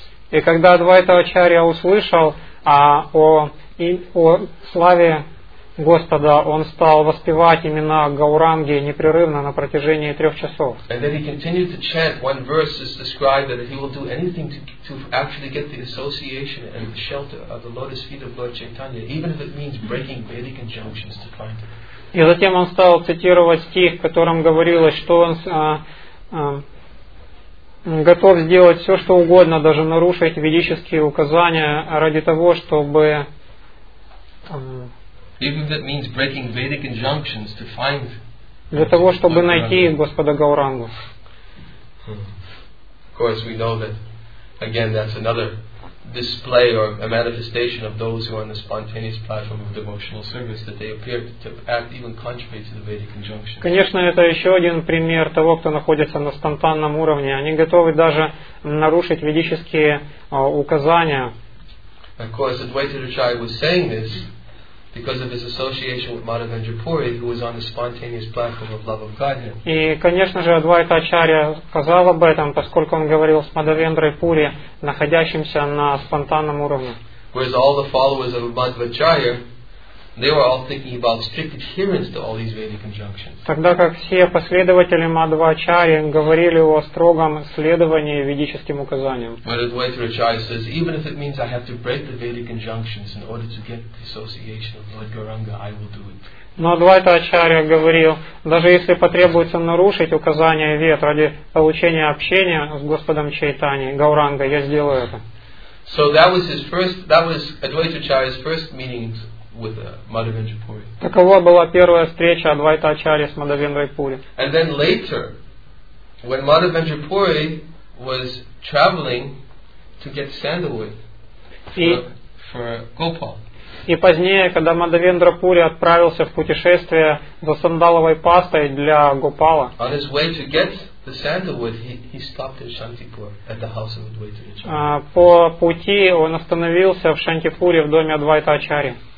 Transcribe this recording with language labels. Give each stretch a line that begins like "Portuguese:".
Russian: И когда Адвайта Ачарья услышал о славе Господа, он стал воспевать имена Гауранги непрерывно на протяжении 3 часов.
English: And then he continued to chant one verse is described that he will do anything to actually get the association and the shelter of the lotus feet of Lord Chaitanya, even if it means breaking Vedic injunctions to find him.
Russian: И затем он стал цитировать стих, в котором говорилось, что он готов сделать все, что угодно, даже нарушить ведические указания ради того, чтобы
English: even if it means breaking Vedic injunctions to find
Russian: для того, чтобы найти Господа Гаурангу.
English: Of course, we know that, again, that's another display or a manifestation of those who are on the spontaneous platform of devotional service, that they appear to act even contrary to the Vedic injunctions.
Russian: Конечно, это еще один пример того, кто находится на спонтанном уровне. Они готовы даже нарушить ведические указания.
English: Of course, Advaita Acharya was saying this because of his association with Madhavendra Puri, who was on the spontaneous platform of love of Godhead.
Russian: И, конечно же, Адвайта Ачарья сказал об этом, поскольку он говорил с Мадхавендрой Пури, находящимся на спонтанном уровне.
English: Whereas all the followers of Madhvacharya, they were all thinking about strict adherence to all these Vedic injunctions.
Russian: Тогда как все последователи Мадхвачарьи говорили о строгом следовании ведическим указаниям.
English: But Advaita Acharya says, even if it means I have to break the Vedic injunctions in order to get the association of Lord Gauranga, I will do it.
Russian: Но Адвайта Ачарья говорил, даже если потребуется нарушить указания Вед ради получения общения с Господом Чайтаньей, Гауранга, я сделаю это.
English: So that was his first. That was Advaita Acharya's first meeting with Madhavendra Puri.
Russian: Такова была первая встреча Адвайта Ачарьи с Мадхавендрой Пури.
English: And then later, when Madhavendra Puri was traveling to get sandalwood for Gopal.
Russian: И позднее, когда Мадхавендра Пури отправился в путешествие за сандаловой пастой для Гопала, по пути он остановился в Шантипуре в доме Адвайта Ачари.